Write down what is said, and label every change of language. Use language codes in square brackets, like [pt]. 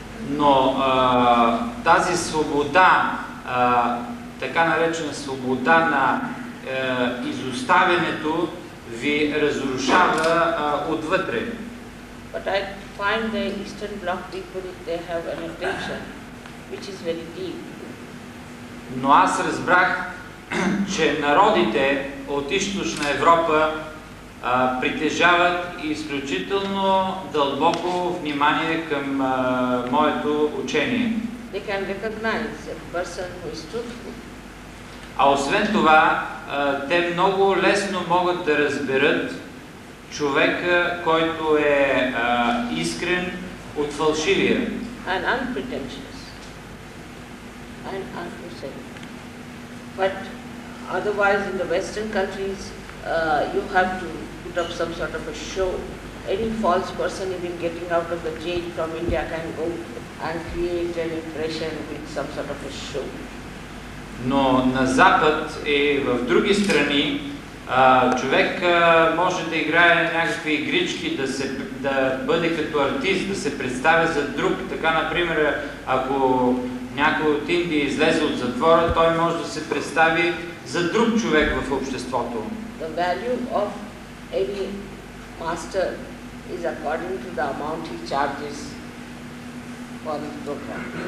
[bg] Но тази свобода, така наречена свобода на изоставянето, ви разрушава отвътре. [en] But I find the Eastern Bloc people, they have an intention which is very deep. [bg] Но аз разбрах, че народите от Източна Европа притежават изключително дълбоко внимание към моето учение. [en] They can recognize a person who is truthful. [bg] А освен това, те много лесно могат да разберат човека, който е искрен от фалшивия. [en] And unpretentious. And unpretentious. But otherwise in the Western countries, you have to put up some sort of a show. Any false person even getting out of the jail from India can go and create an impression with some sort of a show. [bg] Но на Запад и в други страни човек може да играе някакви игрички, да бъде като артист, да се представя за друг. Така, например, ако някой от Индия излезе от затвора, той може да се представи за друг човек в обществото. [en] The value of any master is according to the amount he charges for the program.